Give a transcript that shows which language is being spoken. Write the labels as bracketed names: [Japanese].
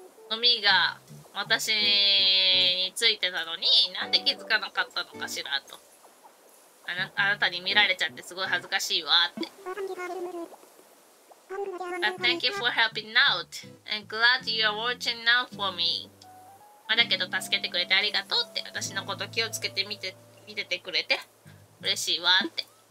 [Japanese] ノミが私についてたのに、なんで気づかなかったのかしらと。あなたに見られちゃってすごい恥ずかしいわって。 [English] But thank you for helping out. I'm glad you are watching now for me. [Japanese] だけど助けてくれてありがとうって、私のこと気をつけて見ててくれて嬉しいわって。